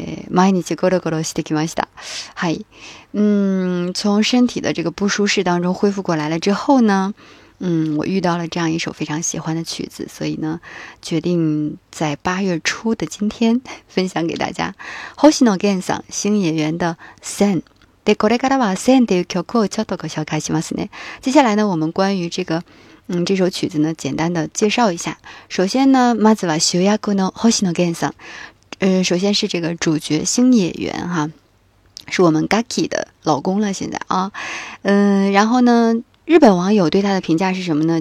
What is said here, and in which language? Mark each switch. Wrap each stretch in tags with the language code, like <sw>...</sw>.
<ja>毎日ゴロゴロしてきました。はい。</ja> <zh>从身体的这个不舒适当中恢复过来了之后呢，我遇到了这样一首非常喜欢的曲子，所以呢，决定在八月初的今天分享给大家。</zh> <ja>星野源さん、</ja> <zh>星野源的《Sen》。</zh> <ja>で、これからは Sen という曲をちょっとご紹介しますね。</ja> <zh>接下来呢，我们关于这个，这首曲子呢，简单的介绍一下。首先呢，</zh> <ja>まずは主役の星野源さん。</ja> <zh>首先是这个主角星野源哈，是我们 Gaki 的老公了现在啊。然后呢，日本网友对他的评价是什么呢？</zh>